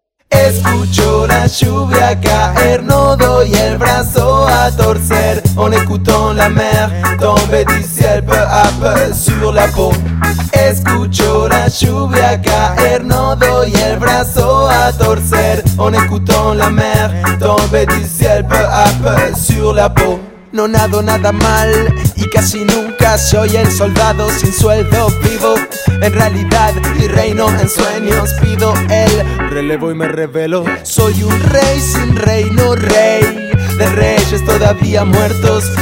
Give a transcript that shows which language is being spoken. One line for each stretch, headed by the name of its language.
Spanish: Escucho la lluvia caer, no doy el brazo a torcer.
French: En escuchando la mer, tombe du ciel peu à peu sur la peau.
Spanish: Escucho la lluvia caer, no doy el brazo a torcer.
French: En escuchando la mer, tombe du ciel peu à peu sur la peau.
Spanish: No nado nada mal y casi nunca soy el soldado sin sueldo. Vivo en realidad y reino en sueños. Pido el relevo y me revelo. Soy un rey sin reino, rey de reyes todavía muertos.